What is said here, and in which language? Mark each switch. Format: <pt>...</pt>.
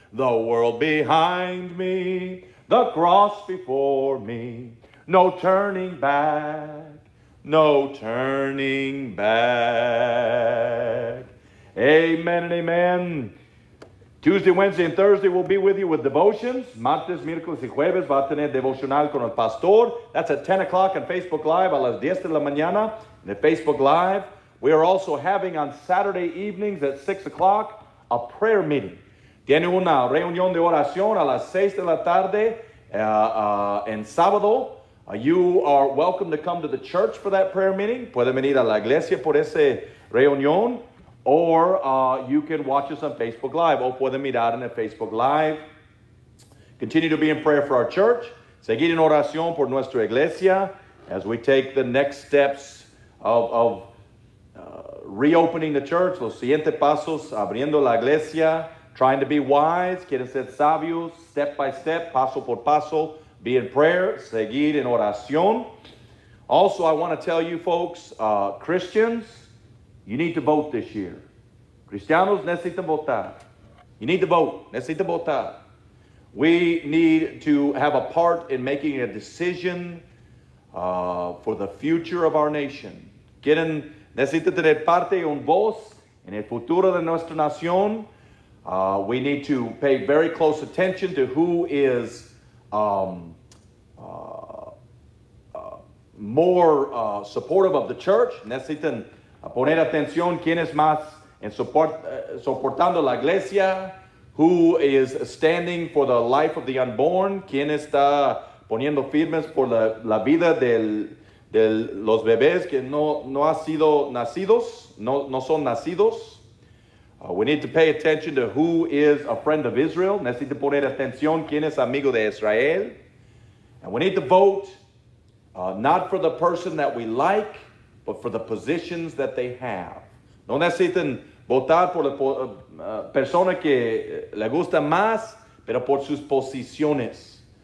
<en>The world behind me, the cross before me. No turning back, no turning back. Amen and amen. Tuesday, Wednesday, and Thursday, we'll be with you with devotions.</en> <es>Martes, miércoles, y jueves va a tener devocional con el pastor.</es> <en>That's at 10 o'clock on Facebook Live,</en> <es>a las 10 de la mañana,</es> <en>in the Facebook Live. We are also having on Saturday evenings at 6 o'clock a prayer meeting.</en> <es>Tiene una reunión de oración a las 6 de la tarde en sábado.</es> <en>You are welcome to come to the church for that prayer meeting.</en> <es>Puede venir a la iglesia por ese reunión.</es> <en>Or you can watch us on Facebook Live.</en> <es>O puede mirar en el Facebook Live.</es> <en>Continue to be in prayer for our church.</en> <es>Seguir en oración por nuestra iglesia</es> <en>as we take the next steps of reopening the church.</en> <es>Los siguientes pasos, abriendo la iglesia.</es> <en>Trying to be wise.</en> <es>Quieren ser sabios.</es> <en>Step by step,</en> <es>paso por paso.</es> <en>Be in prayer,</en> <es>seguir en oración.</es> <en>Also, I want to tell you folks, Christians, you need to vote this year.</en> <es>Cristianos necesitan votar.</es> <en>You need to vote.</en> <es>Necesitan votar.</es> <en>We need to have a part in making a decision for the future of our nation.</en> <es>Quieren, necesitan tener parte y un voz en el futuro de nuestra nación.</es> <en>We need to pay very close attention to who is more supportive of the church.</en> <es>Necesitan poner atención quién es más en soportando la iglesia,</es> <en>who is standing for the life of the unborn,</en> <es>quién está poniendo firmes por la vida del los bebés que no ha sido nacidos, no son nacidos.</es> <en>We need to pay attention to who is a friend of Israel.</en> <es>Necesitan poner atención quién es amigo de Israel.</es> <en>And we need to vote not for the person that we like, but for the positions that they have.</en> <es>No necesitan votar por la persona que le gusta más, pero por sus posiciones.</es>